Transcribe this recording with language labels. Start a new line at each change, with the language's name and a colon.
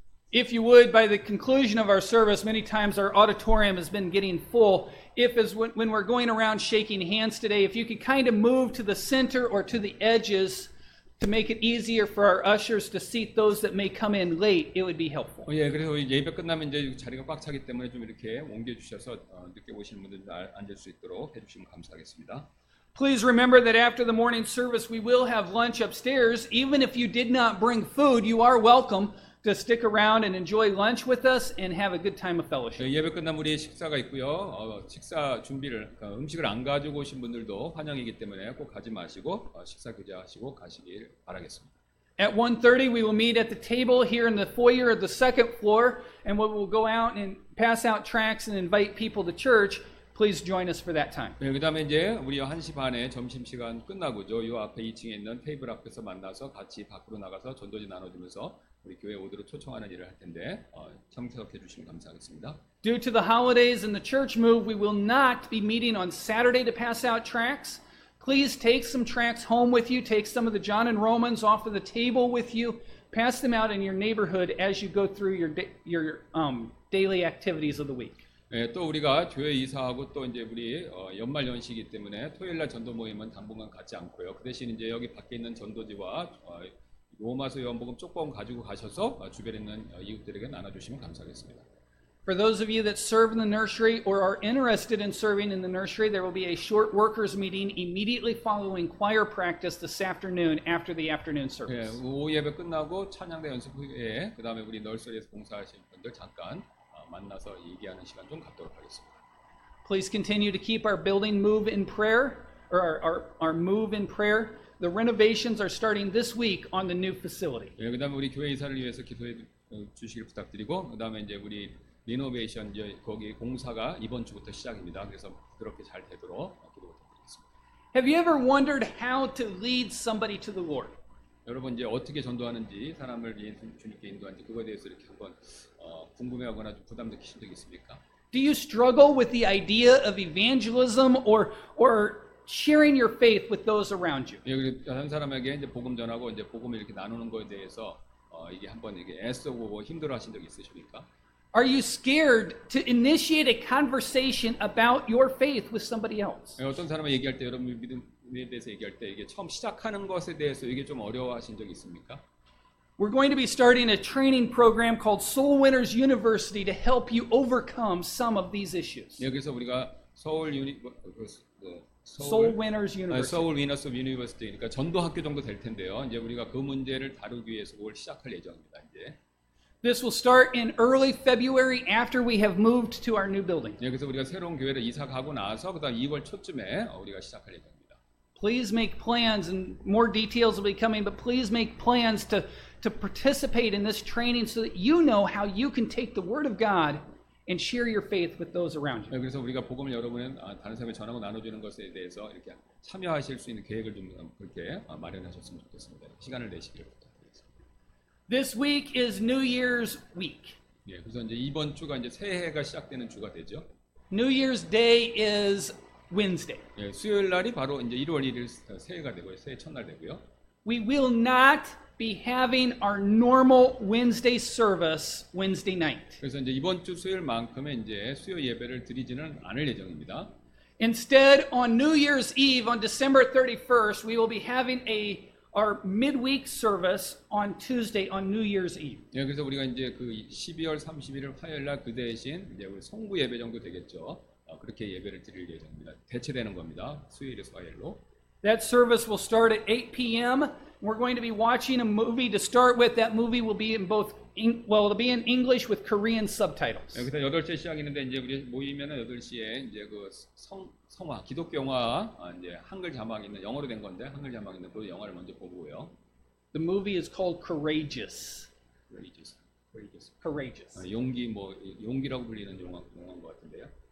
English: If you would, by the conclusion of our service, many times our auditorium has been getting full. If, as when we're going around shaking hands today, if you could kind of move to the center or to the edges to make it easier for our ushers to seat those that may come in late, it would be helpful.
Korean: 예, 그래서 예배 끝나면 이제 자리가 꽉 차기 때문에 좀 이렇게 옮겨주셔서 늦게 오시는 분들 잘 앉을 수 있도록 해주시면 감사하겠습니다.
English: Please remember that after the morning service, we will have lunch upstairs. Even if you did not bring food, you are welcome to stick around and enjoy lunch with us and have a good time of fellowship.
Korean: 예배 끝나면 우리 식사가 있고요. 식사 준비를 음식을 안 가지고 오신 분들도 환영이기 때문에 꼭 가지 마시고 식사 교제하시고 가시길 바라겠습니다.
English: At 1:30, we will meet at the table here in the foyer of the second floor, and we will go out and pass out tracts and invite people to church. Please join us for that time.
Korean: 네, 그다음에 이제 우리 1시 반에 점심 시간 끝나고죠. 요 앞에 2층에 있는 테이블 앞에서 만나서 같이 밖으로 나가서 전도지 나눠주면서 우리 교회 오도록 초청하는 일을 할 텐데 참석해 주시면 감사하겠습니다.
English: Due to the holidays and the church move, we will not be meeting on Saturday to pass out tracts. Please take some tracts home with you. Take some of the John and Romans off of the table with you. Pass them out in your neighborhood as you go through your daily activities of the week.
Korean: 예, 또 우리가 교회 이사하고 또 이제 우리 연말 연시이기 때문에 토요일 날 전도 모임은 당분간 가지 않고요. 그 대신 이제 여기 밖에 있는 전도지와 로마서 요한복음 조금 가지고 가셔서 주변에 있는 이웃들에게 나눠주시면 감사하겠습니다.
English: For those of you that serve in the nursery or are interested in serving in the nursery, there will be a short workers meeting immediately following choir practice this afternoon after the afternoon service.
Korean: 예, 오후 예배 끝나고 찬양대 연습 후에 그 다음에 우리 널서리에서 봉사하시는 분들 잠깐 만나서 얘기하는 시간 좀 갖도록 하겠습니다.
English: Please continue to keep our building move in prayer, or our move in prayer. The renovations are starting this week on the new facility.
Korean: 예, 그다음에 우리 교회 이사를 위해서 기도해 주시길 부탁드리고, 그다음에 이제 우리 리노베이션 이제 거기 공사가 이번 주부터 시작입니다. 그래서 그렇게 잘 되도록 기도 부탁드리겠습니다.
English: Have you ever wondered how to lead somebody to the Lord?
Korean: 여러분 이제 어떻게 전도하는지 사람을 주님께 인도하는지 그거에 대해서 이렇게 한번 궁금해하거나 좀 부담 느끼신 적 있습니까?
English: Do you struggle with the idea of evangelism or sharing your faith with those around you?
Korean: 예, 다른 사람에게 이제 복음 전하고 이제 복음을 이렇게 나누는 거에 대해서 이게 한번 이게 애쓰고 힘들어하신 적 있으십니까?
English: Are you scared to initiate a conversation about your faith with somebody else?
Korean: 예, 어떤 사람을 얘기할 때 여러분 믿음 에 대해서 얘기할 때 이게 처음 시작하는 것에 대해서 이게 좀 어려워하신 적 있습니까?
English: We're going to be starting a training program called Soul Winners University to help you overcome some of these issues.
Korean: 여기서 우리가 서울 유니
English: Soul Winners University. Soul Winners University.
Korean: 그러니까 전도 학교 정도 될 텐데요. 이제 우리가 그 문제를 다루기 위해서 그걸 시작할 예정입니다. 이제
English: This will start in early February after we have moved to our new building.
Korean: 여기서 우리가 새로운 교회를 이사 가고 나서 그다음 2월 초쯤에 우리가 시작할 예정입니다.
English: Please make plans, and more details will be coming, but please make plans to participate in this training so that you know how you can take the Word of God and share your faith with those around you.
Korean: 네, 그래서 우리가 복음을 여러분은 다른 사람에게 전하고 나눠주는 것에 대해서 이렇게 참여하실 수 있는 계획을 좀 그렇게 마련하셨으면 좋겠습니다. 시간을 내시기를 부탁드립니다.
English: This week is New Year's week.
Korean: 예, 네, 그래서 이제 이번 주가 이제 새해가 시작되는 주가 되죠.
English: New Year's Day is Wednesday.
Korean: 예, 네, 수요일 날이 바로 이제 1월 1일 새해가 되고요, 새해 첫날 되고요.
English: We will not be having our normal Wednesday service Wednesday night.
Korean: 그래서 이제 이번 주 수요일만큼의 이제 수요 예배를 드리지는 않을 예정입니다.
English: Instead, on New Year's Eve, on December 31st, we will be having our midweek service on Tuesday on New Year's Eve.
Korean: 예, 그래서 우리가 이제 그 12월 31일 화요일 날 그 대신 이제 우리 송구 예배 정도 되겠죠. 그렇게 예배를 드릴 예정입니다. 대체되는 겁니다. 수요일에서 화요일로.
English: That service will start at 8 p.m. We're going to be watching a movie to start with. That movie will be in both it'll be in English with Korean subtitles.
Korean: 네, 그래서 8시에 시작했는데 이제 우리 모이면은 8시에 이제 그 성화 기독교 영화 이제 한글 자막 있는 영어로 된 건데 한글 자막 있는 그 영화를 먼저 보고요.
English: The movie is called Courageous. Courageous. Courageous. Courageous.
Korean: 아, 용기 뭐 용기라고 불리는 영화인 것 같은데요.